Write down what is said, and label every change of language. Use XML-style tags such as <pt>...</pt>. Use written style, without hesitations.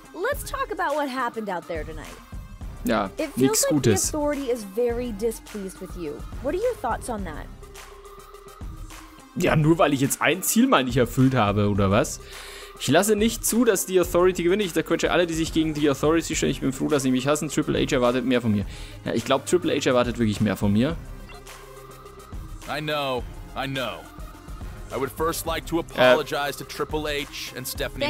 <en>Let's talk about what happened out there tonight.</en> <de>Ja, nichts Gutes.</de> <en>It feels like the authority is very displeased with you. What are your thoughts on that?</en> <de>Ja, nur weil ich jetzt ein Ziel mal nicht erfüllt habe, oder was? Ich lasse nicht zu, dass die Authority gewinnt. Ich quetsche alle, die sich gegen die Authority stellen. Ich bin froh, dass sie mich hassen. Triple H erwartet mehr von mir. Ja, ich glaube, Triple H erwartet wirklich mehr von mir.</de> <en>I know. I would first like to apologize to Triple H and Stephanie McMahon.</en>